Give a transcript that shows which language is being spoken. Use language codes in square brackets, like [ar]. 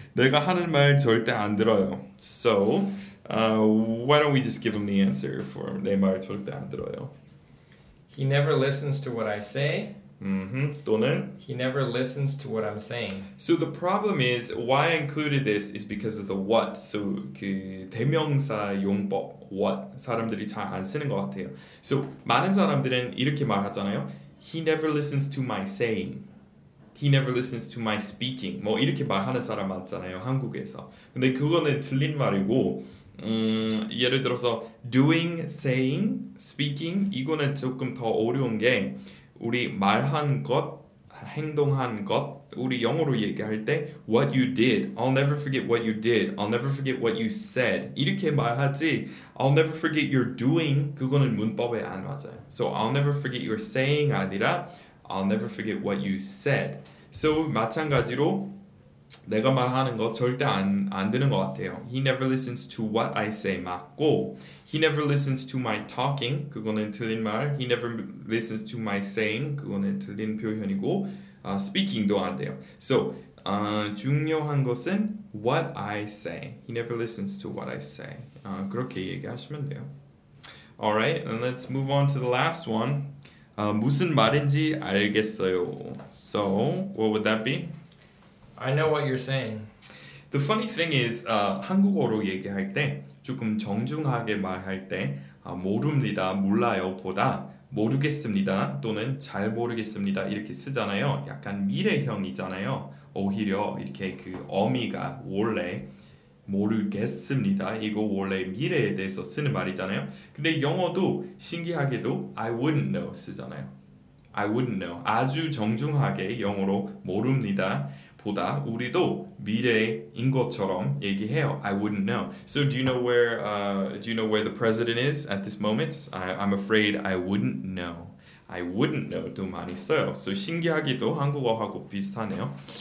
[ko] 내가 하는 말 절대 안 들어요. [en] So, why don't we just give him the answer for [ko] 내 말 절대 안 들어요. [en] He never listens to what I say. [ko] Mm-hmm. 또는? [en] He never listens to what I'm saying. So the problem is, why I included this is because of the what. [ko] So 그 대명사 용법, what. 사람들이 잘 안 쓰는 것 같아요. So 많은 사람들은 이렇게 말하잖아요. [en] He never listens to my saying. He never listens to my speaking. [ko] 뭐 이렇게 말하는 사람 많잖아요, 한국에서. 근데 그거는 틀린 말이고, 예를 들어서 doing, saying, speaking 이거는 조금 더 어려운 게 우리 말한 것, 행동한 것 우리 영어로 얘기할 때 [en] what you did, I'll never forget what you did, I'll never forget what you said [ko] 이렇게 말하지 [en] I'll never forget your doing [ko] 그거는 문법에 안 맞아요. [en] So I'll never forget your saying 아니라 I'll never forget what you said. [ko] So 마찬가지로 내가 말하는 거 절대 안 되는 것 같아요. [en] He never listens to what I say 맞고 He never listens to my talking [ko] 그거는 틀린 말 [en] He never listens to my saying [ko] 그거는 틀린 표현이고 [en] speaking도 [ko] 안 돼요. [en] So [ko] 중요한 것은 [en] what I say. He never listens to what I say. [ko] 그렇게 얘기하시면 돼요. [en] Alright, and let's move on to the last one. [ko] 무슨 말인지 알겠어요. [en] So what would that be? I know what you're saying. The funny thing is, [ko] 한국어로 얘기할 때 조금 정중하게 말할 때 모릅니다, 몰라요 보다 모르겠습니다 또는 잘 모르겠습니다 이렇게 쓰잖아요. 약간 미래형이잖아요. 오히려 이렇게 그 어미가 원래 모르겠습니다. 이거 원래 미래에 대해서 쓰는 말이잖아요. 근데 영어도 신기하게도 [en] I wouldn't know [ko] 쓰잖아요. [en] I wouldn't know. [ko] 아주 정중하게 영어로 모릅니다. 보다 우리도 미래인 것처럼 얘기해요. [en] I wouldn't know. So do you know where the president is at this moment? I'm afraid I wouldn't know. I wouldn't know도 [ko] 많이 써요. So 신기하기도 한국어하고 비슷하네요.